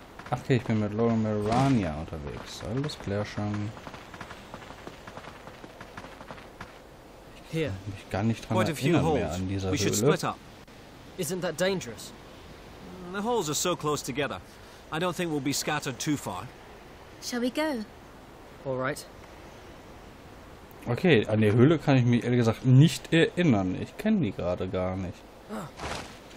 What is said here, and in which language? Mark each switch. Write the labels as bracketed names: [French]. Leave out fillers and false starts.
[German] Ach, okay, ich bin mit Lorna Melania unterwegs. Alles klar schon. Hier. Mich gar nicht dran erinnern mehr an dieser Höhle. [English] We should split up. Isn't that dangerous? The holes are so close together. I don't think we'll be scattered too far. Shall we go? All right. [German] Okay, an die Höhle kann ich mich ehrlich gesagt nicht erinnern. Ich kenne die gerade gar nicht.